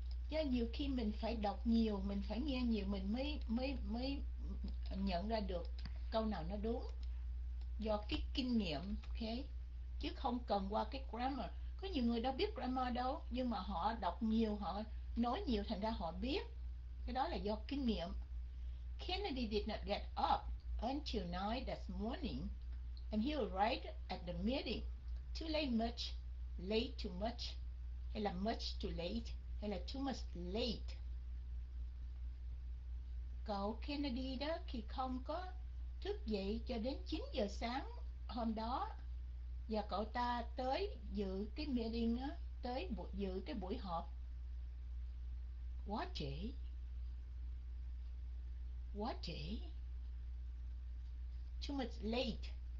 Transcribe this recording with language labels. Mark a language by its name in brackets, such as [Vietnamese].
[Vietnamese] Chứ nhiều khi mình phải đọc nhiều, mình phải nghe nhiều, mình mới nhận ra được câu nào nó đúng, do cái kinh nghiệm, okay? Chứ không cần qua cái grammar. Có nhiều người đâu biết grammar đâu, nhưng mà họ đọc nhiều, họ nói nhiều, thành ra họ biết. Cái đó là do kinh nghiệm. [English] Kennedy did not get up until 9 that morning, and he arrived at the meeting too late, much late too much, [Vietnamese] hay là [English] much too late, hay là too much late. [Vietnamese] Cậu Kennedy đó thì không có thức dậy cho đến 9 giờ sáng hôm đó, và cậu ta tới dự cái meeting á, tới dự cái buổi họp quá trễ, quá trễ, [English] too much late.